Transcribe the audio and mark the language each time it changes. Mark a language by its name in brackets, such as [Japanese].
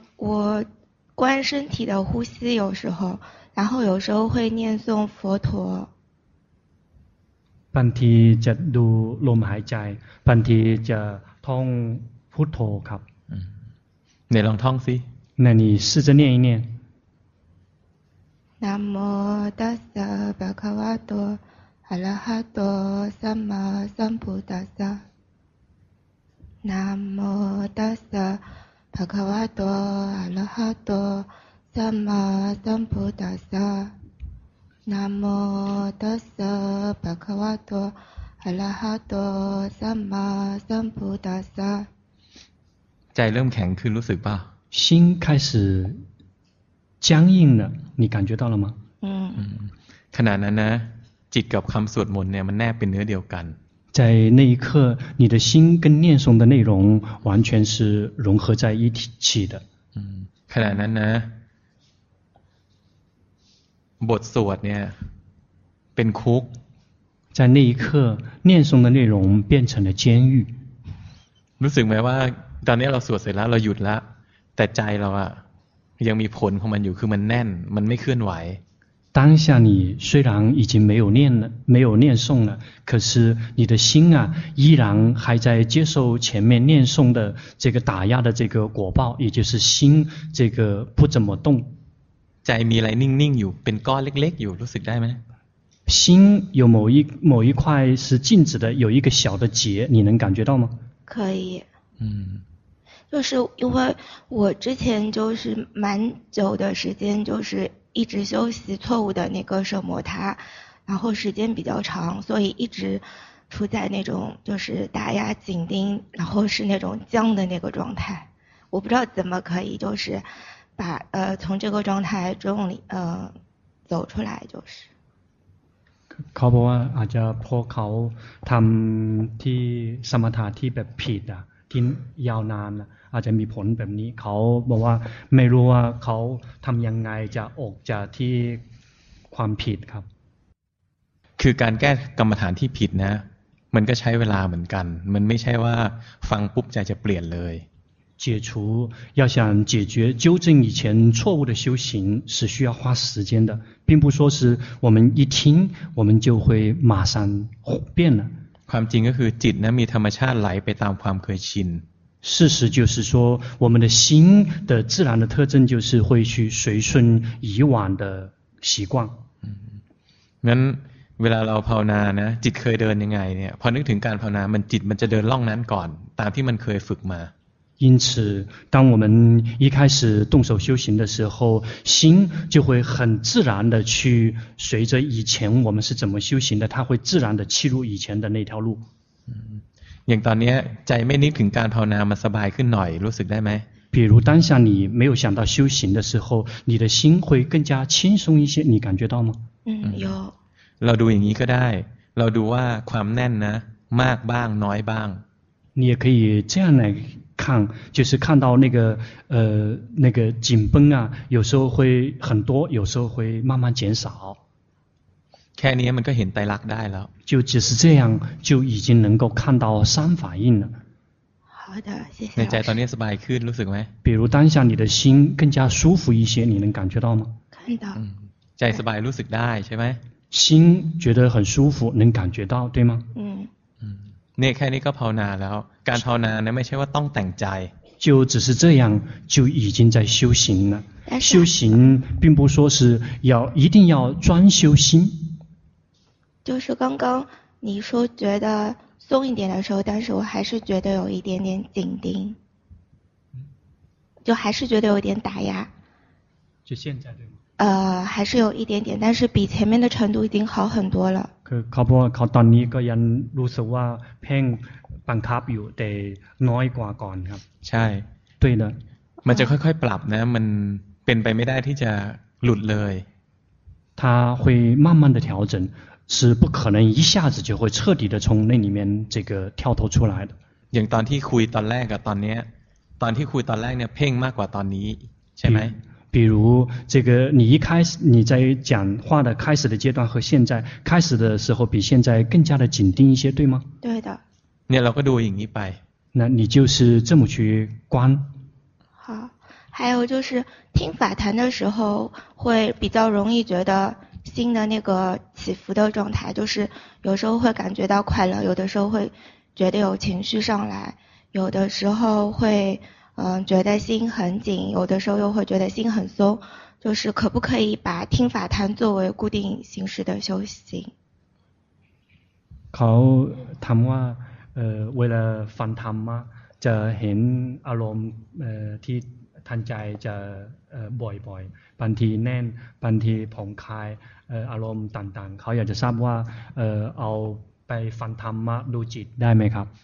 [Chinese] 我观身体的呼吸有时候然后有时候会念诵佛陀 [Thai] บางทีจะดูลมหายใจบางทีจะท่องพุทโธครับ ในลองท่องสิ [Chinese] 那你试着念一念 [Pali] นะโมตัสสะภะคะวะโตอะระหะโตสัมมาสัมพุทธัสสะนะโมตัสสะภะคะวะโตอะระหะโตสัมมาสัมพุทธัสสะนะโมตัสสะภะคะวะโตอะระหะโตสัมมาสัมพุทธัสสะ [Thai] ใจเริ่มแข็งขึ้นรู้สึกป่ะ [Chinese] 心开始僵硬了你感觉到了吗 [Thai] ขณะนั้นนะจิตกับคำสวดมนต์เนี่ยมันแนบเป็นเนื้อเดียวกัน [Chinese] 在那一刻你的心跟念诵的内容完全是融合在一起的 [Thai] ขณะนั้นนะบทสวดเนี่ยเป็นคุก [Chinese] 在那一刻念诵的内容变成了监狱 [Thai] รู้สึกไหมว่าตอนนี้เราสวดเสร็จแล้วเราหยุดแล้วแต่ใจเราอะยังมีผลของมันอยู่คือมันแน่นมันไม่เคลื่อนไหว [Chinese] 当下你虽然已经没有念了没有念诵了可是你的心啊依然还在接受前面念诵的这个打压的这个果报也就是心这个不怎么动 [Thai] ใจมีอะไรนิ่งๆอยู่เป็นก้อนเล็กๆอยู่รู้สึกได้ไหม [Chinese] 心有某一块是静止的有一个小的结你能感觉到吗可以就是因为我之前就是蛮久的时间就是一直休息错误的那个舍摩他然后时间比较长所以一直处在那种就是打压紧盯然后是那种僵的那个状态我不知道怎么可以就是把从这个状态中走出来就是 [Thai] เขาบอกว่าอาจจะพอเขาทำที่สมถะที่แบบผิดอ่ะทิ้งยาวนานอาจจะมีผลแบบนี้เขาบอกว่าไม่รู้ว่าเขาทำยังไงจะออกจากที่ความผิดครับ คือการแก้กรรมฐานที่ผิดนะมันก็ใช้เวลาเหมือนกันมันไม่ใช่ว่าฟังปุ๊บใจจะเปลี่ยนเลย [Chinese] 解除要想解决纠正以前错误的修行是需要花时间的并不说是我们一听我们就会马上变了 [Thai] ความจริงก็คือจิตนะมีธรรมชาติไหลไปตามความเคยชิน [Chinese] 事实就是说，我们的心的自然的特征就是会去随顺以往的习惯。嗯， [Thai] งั้นเวลาเราภาวนานะจิตเคยเดินยังไงเนี่ยพอนึกถึงการภาวนามันจิตมันจะเดินล่องนั้นก่อนตามที่มันเคยฝึกมา [Chinese] 因此，当我们一开始动手修行的时候，心就会很自然的去随着以前我们是怎么修行的，它会自然的切入以前的那条路。 [Thai] 嗯，อย่างตอนนี้ใจไม่นึกถึงการภาวนามันสบายขึ้นหน่อยรู้สึกได้ไหม？ [Chinese] 比如当下你没有想到修行的时候，你的心会更加轻松一些，你感觉到吗？嗯，有。 [Thai] เราดูอย่างนี้ก็ได้เราดูว่าความแน่นนะมากบ้างน้อยบ้าง [Chinese] 你也可以这样来看就是看到那个那个紧绷啊有时候会很多有时候会慢慢减少 [Thai] แค่นี้มันก็เห็นไตรลักษณ์ได้แล้ว [Chinese] 就只是这样就已经能够看到三反应了好的谢谢 [Thai] ในใจตอนนี้สบายขึ้นรู้สึกไหม [Chinese] 比如当下你的心更加舒服一些你能感觉到吗看到 [Thai] ใจสบายรู้สึกได้ใช่ไหม [Chinese] Sin 觉得很舒服能感觉到对吗嗯嗯那 [Thai] แค่นี้ก็ภาวนาแล้วการภาวนาเนี่ยไม่ใช่ว่าต้องแต่งใจ [Chinese] 就只是这样就已经在修行了修行并不说是要一定要专修心就是刚刚你说觉得松一点的时候但是我还是觉得有一点点紧盯就还是觉得有点打压就现在对吗还是有一点点但是比前面的程度已经好很多了 [Thai] คือเขาบอกเขาตอนนี้ก็ยังรู้สึกว่าเพ่งบังคับอยู่แต่น้อยกว่าก่อนครับ ใช่ [Chinese] 对的 [Thai] มันจะค่อยๆปรับนะมันเป็นไปไม่ได้ที่จะหลุดเลย [Chinese] 它会慢慢的调整是不可能一下子就会彻底的从那里面这个跳脱出来的 [Thai] อย่างตอนที่คุยตอนแรกกับตอนนี้ตอนที่คุยตอนแรกเนี่ยเพ่งมากกว่าตอนนี้ใช่ไหม [Chinese] 比如这个你一开始你在讲话的开始的阶段和现在开始的时候比现在更加的紧盯一些对吗对的那老哥对我引一百那你就是这么去观好还有就是听法谈的时候会比较容易觉得心的那个起伏的状态就是有时候会感觉到快乐有的时候会觉得有情绪上来有的时候会嗯，觉得心很紧，有的时候又会觉得心很松，就是可不可以把听法谈作为固定形式的修行？ [Thai] เขาถามว่าเวลาฟังธรรมจะเห็นอารมณ์ที่ทันใจจะบ่อยๆบางทีแน่นบางทีผ่อนคลายอารมณ์ต่างๆเขาอยากจะทราบว่าเอาไปฟังธรรมดูจิตได้ไหมครับ